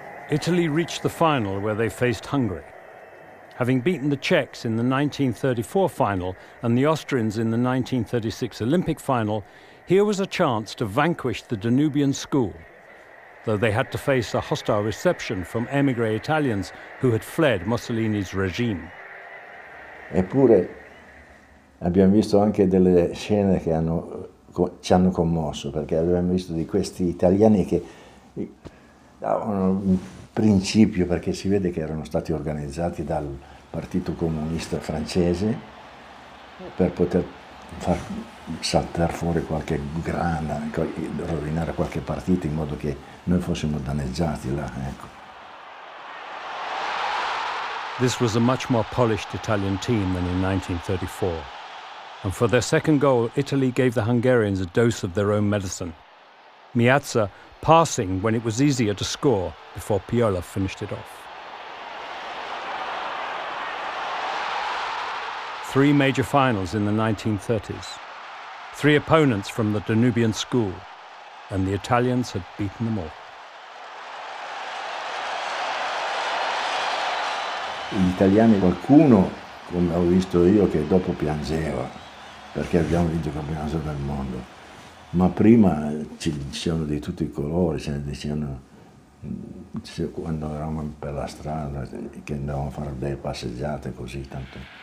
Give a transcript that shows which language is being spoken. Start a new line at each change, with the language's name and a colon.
English: Italy reached the final where they faced Hungary. Having beaten the Czechs in the 1934 final and the Austrians in the 1936 Olympic final, here was a chance to vanquish the Danubian school, though they had to face a hostile reception from émigré Italians who had fled Mussolini's regime.
Italian: Eppure abbiamo visto anche delle scene che ci hanno commosso, perché abbiamo visto di questi italiani che davano un principio, perché si vede che erano stati organizzati dal Partito Comunista Francese per poter far saltare fuori qualche grana, rovinare qualche partita in modo che noi fossimo danneggiati là, ecco.
English: This was a much more polished Italian team than in 1934. And for their second goal, Italy gave the Hungarians a dose of their own medicine. Miazza passing when it was easier to score before Piola finished it off. Three major finals in the 1930s. Three opponents from the Danubian school, and the Italians had beaten them all.
Italian: Gli italiani, qualcuno, come ho visto io, che dopo piangeva, perché abbiamo vinto il campionato del mondo. Ma prima ci dicevano di tutti i colori, ce ne dicevano quando eravamo per la strada, che andavamo a fare delle passeggiate così tanto.